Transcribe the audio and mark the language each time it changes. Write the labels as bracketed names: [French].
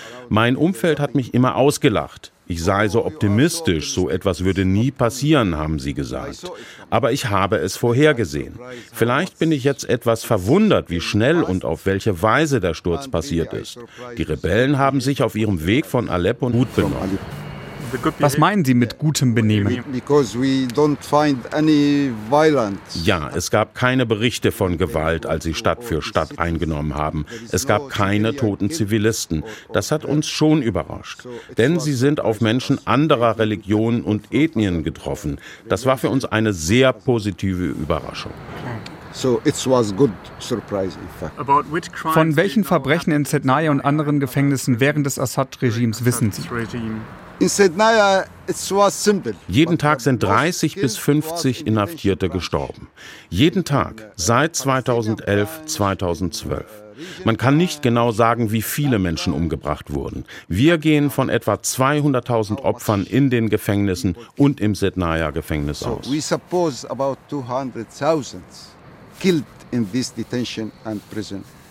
[German] Mein Umfeld hat mich immer ausgelacht. Ich sei so optimistisch, so etwas würde nie passieren, haben sie gesagt. Aber ich habe es vorhergesehen. Vielleicht bin ich jetzt etwas verwundert, wie schnell und auf welche Weise der Sturz passiert ist. Die Rebellen haben sich auf ihrem Weg von Aleppo gut benommen. Was meinen Sie mit gutem Benehmen? [English] Because we don't find any violence. [German] Ja, es gab keine Berichte von Gewalt, als sie Stadt für Stadt eingenommen haben. Es gab keine toten Zivilisten. Das hat uns schon überrascht. Denn sie sind auf Menschen anderer Religionen und Ethnien getroffen. Das war für uns eine sehr positive Überraschung. [English] So it was good surprise in fact. [German] Von welchen Verbrechen in Sednaya und anderen Gefängnissen während des Assad-Regimes wissen Sie? [English] In Sednaya, it was simple. [German] Jeden Tag sind 30 bis 50 Inhaftierte gestorben. Jeden Tag, seit 2011, 2012. Man kann nicht genau sagen, wie viele Menschen umgebracht wurden. Wir gehen von etwa 200.000 Opfern in den Gefängnissen und im Sednaya-Gefängnis aus. [English] We suppose about 200.000 killed in this detention and prison.